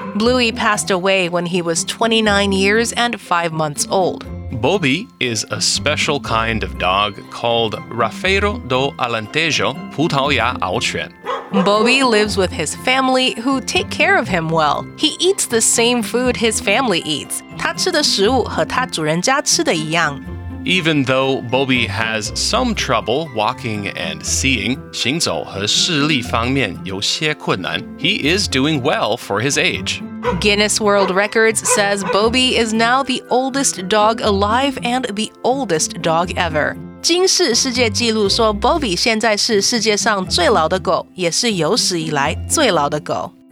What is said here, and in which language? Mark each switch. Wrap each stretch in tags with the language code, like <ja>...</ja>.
<en>Bluey passed away when he was 29 years and 5 months old. Bobby is a special kind of dog called Rafeiro do Alentejo, 葡萄牙獒犬. Bobby lives with his family, who take care of him well. He eats the same food his family eats.</en> <zh>他吃的食物和他主人家吃的一样。</zh> <en>Even though Bobby has some trouble walking and seeing,</en> <zh>行走和视力方面有些困难,</zh> <en>he is doing well for his age. Guinness World Records says Bobby is now the oldest dog alive and the oldest dog ever.</en> <zh>今世世界纪录说 Bobby 现在是世界上最老的狗,也是有史以来最老的狗。</zh>